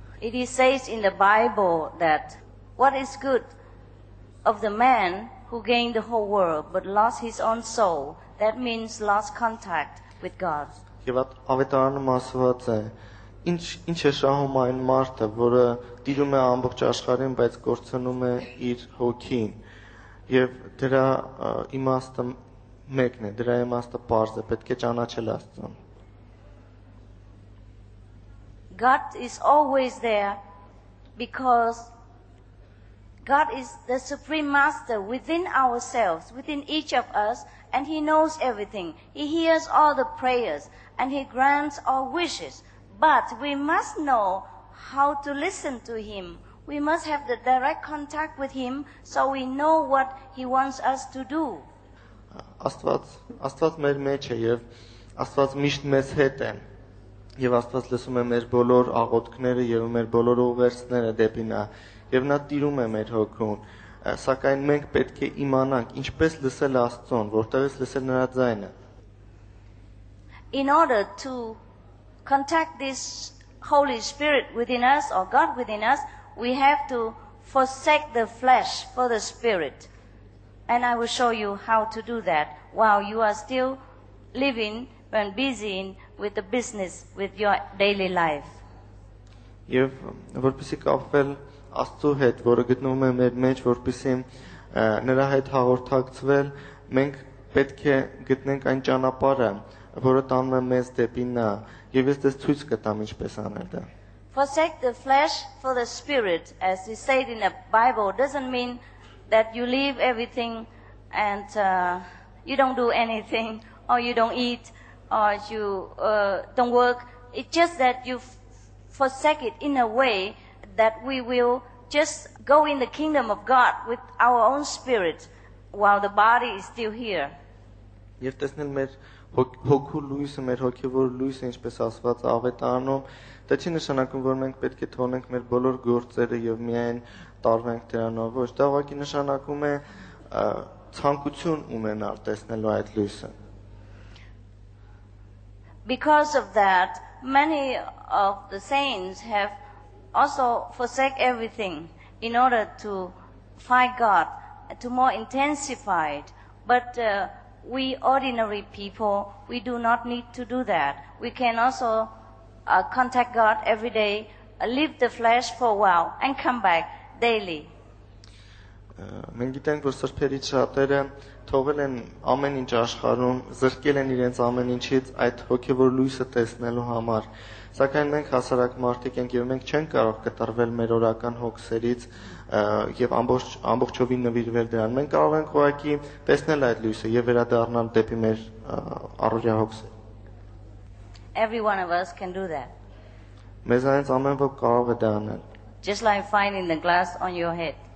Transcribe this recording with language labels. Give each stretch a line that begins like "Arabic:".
English: It is says in the Bible that what is good of the man who gained the whole world but lost his own soul, that means lost contact with God.
Armenian: Եվ ավետարանում ասված է, ինչ է շահում այն մարդը, որը տիրում է ամբողջ աշխարհին, բայց կորցնում է իր հոգին։ Եվ դրա իմաստը մեկն է, դրա իմաստը պարզ է, պետք է ճանաչել Աստծուն։
English: God is always there because God is the supreme master within ourselves, within each of us, and he knows everything. He hears all the prayers and he grants all wishes. But we must know how to listen to him. We must have the direct contact with him so we know what he wants us to do.
Armenian: Աստված մեր մեջ է եւ Աստված միշտ մեզ հետ է եւ Աստված լսում է մեր բոլոր աղոթքները եւ մեր բոլոր ուղերձները դեպի նա։ Եվ նա տիրում է մեր հոգուն, սակայն մենք պետք է իմանանք ինչպես լսել Աստծուն, որտեղից լսել նրա ձայնը։
English: In order to contact this Holy Spirit within us or God within us, we have to forsake the flesh for the Spirit. And I will show you how to do that while you are still living and busy with the business with your daily life.
Armenian: Եվ որպեսզի կապվել Աստծու հետ, որը գտնվում է մեր մեջ, որպեսզի նրա հետ հաղորդակցվել, մենք պետք է գտնենք այն ճանապարհը, որը տանում է մեզ դեպի նա, եւ ես դες ցույց կտամ ինչպես անել դա։
English: Forsake the flesh for the spirit, as he said in the Bible, doesn't mean that you leave everything and you don't do anything or you don't eat or you don't work. It's just that you forsake it in a way that we will just go in the kingdom of God with our own spirit while the body is still here.
Armenian: Եվ տեսնել մեր հոգու լույսը, մեր հոգևոր լույսը, ինչպես ասված է Ավետարանում, դա չի նշանակում, որ մենք պետք է թողնենք մեր բոլոր գործերը եւ միայն տարվենք դրանով, ոչ, դա ուղղակի նշանակում է ցանկություն ունենալ տեսնելու այդ լույսը։
English: Because of that, many of the saints have also forsake everything in order to find God, to more intensify it. But we ordinary people, we do not need to do that. We can also contact God every day, leave the flesh for a while and come back daily.
Armenian: Մենք գիտենք, որ սրբերի շատերը թողել են ամեն ինչ աշխարհում, զրկել են իրենց ամեն ինչից այդ հոգևոր լույսը տեսնելու համար։ Սակայն մենք հասարակ մարդիկ ենք եւ մենք չենք կարող կտրվել մեր օրական հոգսերից եւ ամբողջովին նվիրվել դրան։ Մենք կարող ենք ուղղակի տեսնել այդ լույսը եւ վերադառնալ դեպի մեր առօրյա հոգսը։
English: Every one of us can do that.
Armenian: Մեզանից ամեն ոք կարող է դա անել։
English: Just like finding the glass on your head.